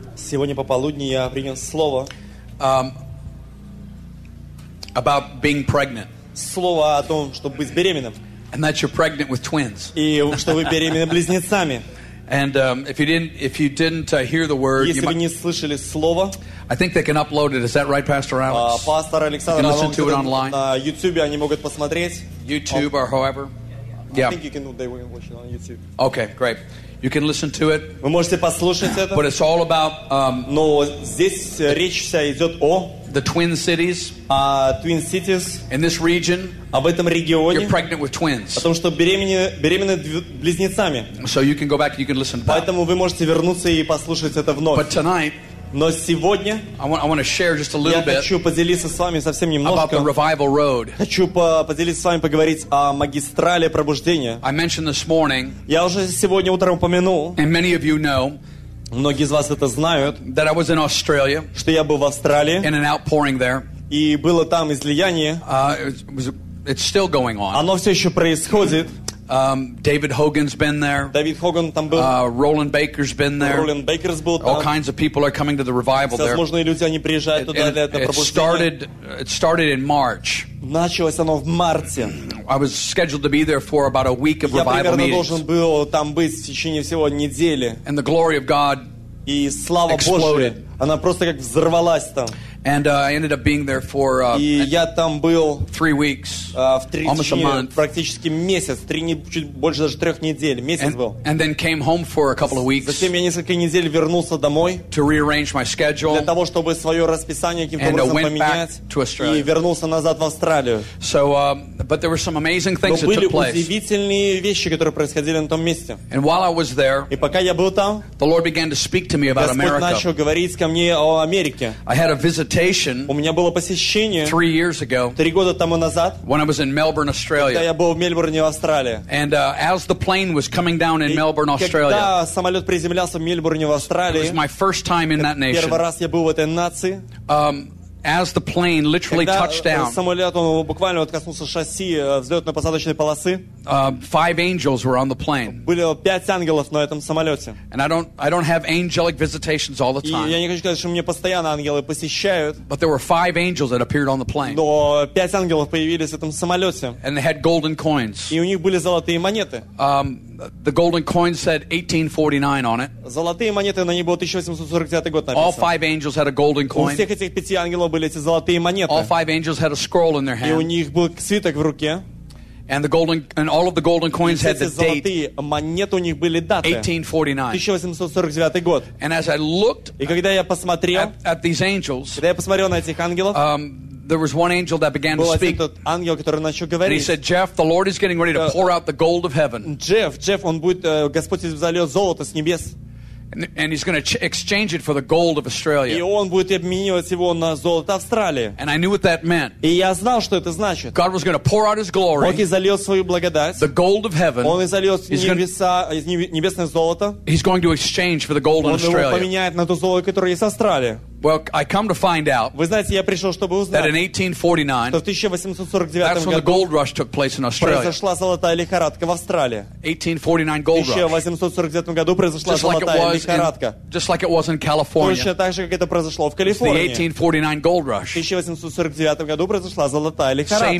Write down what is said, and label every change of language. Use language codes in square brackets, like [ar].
[ru] Сегодня пополудни я принял слово [en] about being pregnant. [ru] Слово о том, чтобы быть беременным. [en] And that you're pregnant with twins. [ru] И что вы беременны близнецами. [en] And if you didn't hear the word, [ru] если вы не слышали слово, [en] I think they can upload it. Is that right, Pastor Alex? [ru] Пастор Александр, [en] you can listen to it online. [ru] На YouTube они могут посмотреть. [en] YouTube or however. Yeah. I think they will watch it on YouTube. Okay, great. You can listen to it. [ru] Вы можете послушать это. [en] But it's all about [ru] Но здесь речь вся идет о [en] the Twin Cities. Twin Cities. In this region. [ru] Об этом регионе. [en] You're pregnant with twins. [ru] О том, что беременны близнецами. [en] So you can go back, you can listen back. [ru] Поэтому вы можете вернуться и послушать это вновь. [en] But tonight, [ru] но сегодня [en] I want to share just a little [ru] bit. Я хочу поделиться с вами совсем немножко. [en] About the revival road. [ru] Хочу поделиться с вами поговорить о магистрали пробуждения. [en] I mentioned this morning. [ru] Я уже сегодня утром упомянул. [en] And many of you know. [ru] Многие из вас это знают. [en] That I was in Australia. [ru] Что я был в Австралии. [en] In an outpouring there. [ru] И было там излияние. [en] It's still going on. [ru] Оно все еще происходит. [en] David Hogan's been there. [ru] David Hogan там был. [en] Roland Baker's been there. [ru] Roland Baker's был там. [en] All kinds of people are coming to the revival there. [ru] Всевозможные люди они приезжают туда для этого пробуждения. [en] It started in March. [ru] Началось оно в марте. [en] I was scheduled to be there for about a week of revival meetings. [ru] Я примерно должен был там быть в течение всего недели. [en] And the glory of God [ru] и слава Божья она просто как взорвалась там. [en] And I ended up being there for three weeks, almost a month. [ru] Практически месяц, чуть больше даже трех недель, месяц был. [en] And then came home for a couple of weeks. [ru] Затем я несколько недель вернулся домой. [en] To rearrange my schedule. [ru] Для того чтобы свое расписание каким-то образом поменять. И вернулся назад в Австралию. [en] So, but there were some amazing things that took place. [ru] Но были удивительные вещи, которые происходили на том месте. [en] And while I was there, [ru] и пока я был там, [en] the Lord began to speak to me about America. [ru] Господь начал говорить ко мне о Америке. [en] I had a visit visitation 3 years ago when I was in Melbourne, Australia. And as the plane was coming down in Melbourne, Australia, it was my first time in that nation. As the plane literally touched down, five angels were on the plane. [ru] Были пять ангелов на этом самолете. [en] And I don't have angelic visitations all the time. [ru] Я не хочу сказать, что мне постоянно ангелы посещают. [en] But there were five angels that appeared on the plane. [ru] Но пять ангелов появились в этом самолете. [en] And they had golden coins. [ru] И у них были золотые монеты. [en] The golden coin said 1849 on it. [ru] Золотые монеты на ней было 1849 год написано. [en] All five angels had a golden coin. [ru] У всех этих пяти ангелов были эти золотые монеты. [en] All five angels had a scroll in their hand. [ru] И у них был свиток в руке. [en] And the golden and all of the golden coins had the date. [ru] И все эти золотые монеты у них были даты. [en] 1849. [ru] 1849 год. [en] And as I looked, [ru] и когда я посмотрел [en] at these angels, [ru] когда я посмотрел на этих ангелов. [en] There was one angel that began to speak. [ru] Тот ангел, который начал говорить. [en] And he said, "Jeff, the Lord is getting ready to pour out the gold of heaven." [ru] Jeff, он будет Господь изволил золото с небес. [en] And he's going to exchange it for the gold of Australia. [ru] И он будет обменивать его на золото Австралии. [en] And I knew what that meant. [ru] И я знал, что это значит. [en] God was going to pour out His glory. [ru] Бог изольет свою благодать. [en] The gold of heaven. [ru] Он изольет небесное золото. [en] He's going to exchange for the gold of Australia. [ru] Он его поменяет на то золото, которое есть в Австралии. [en] Well, I come to find out. [ru] Вы знаете, я пришел, чтобы узнать. [en] That in 1849. That's when the gold rush took place in Australia. [ru] Произошла золотая лихорадка в Австралии. [en] 1849 gold rush. [ru] В 1849 году произошла золотая лихорадка. [en] Just like it was in California. [ru] Точно так же, как это произошло в Калифорнии. [en] The 1849 gold rush. [ru] В 1849 году произошла золотая лихорадка.